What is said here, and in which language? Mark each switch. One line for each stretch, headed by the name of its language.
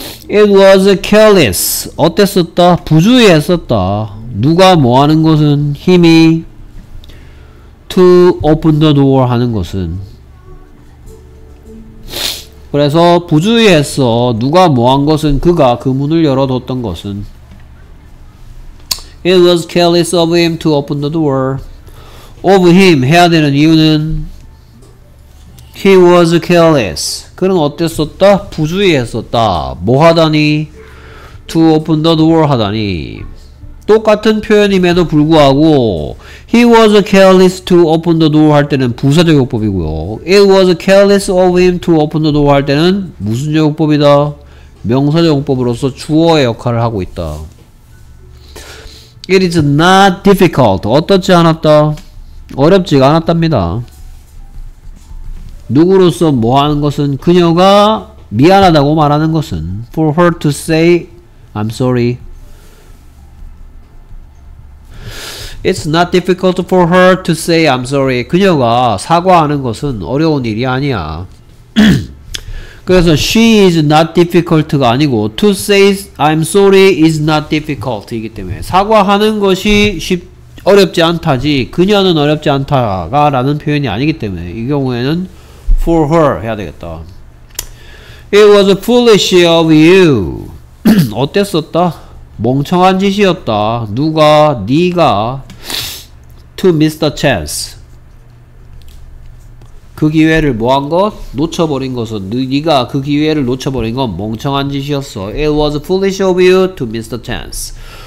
English: It was careless.
Korean: 어땠었다? 부주의했었다. 누가 뭐 하는 것은? 힘이
English: to open the door
Korean: 하는 것은. 그래서 부주의했어. 누가 뭐 한 것은? 그가 그 문을 열어뒀던 것은.
English: It was careless of him to open the door. Of him
Korean: 해야 되는 이유는
English: He was careless.
Korean: 그는 어땠었다? 부주의했었다. 뭐 하다니?
English: To open the door
Korean: 하다니. 똑같은 표현임에도 불구하고
English: He was careless to open the door
Korean: 할 때는 부사적 용법이고요.
English: It was careless of him to open the door
Korean: 할 때는 무슨 용법이다? 명사적 용법으로서 주어의 역할을 하고 있다.
English: It is not difficult.
Korean: 어떻지 않았다? 어렵지가 않았답니다. 누구로서 뭐 하는 것은? 그녀가 미안하다고 말하는 것은
English: For her to say I'm sorry. It's not difficult for her to say I'm sorry.
Korean: 그녀가 사과하는 것은 어려운 일이 아니야. 그래서
English: she is not difficult
Korean: 가 아니고
English: to say I'm sorry is not difficult
Korean: 이기 때문에 사과하는 것이 어렵지 않다지 그녀는 어렵지 않다가 라는 표현이 아니기 때문에 이 경우에는 for her 해야 되겠다.
English: It was foolish of you.
Korean: 어땠었다? 멍청한 짓이었다. 누가? 네가
English: to miss the chance.
Korean: 그 기회를 뭐한 것? 놓쳐버린 것은 네가 그 기회를 놓쳐버린 건 멍청한 짓이었어.
English: It was foolish of you to miss the chance.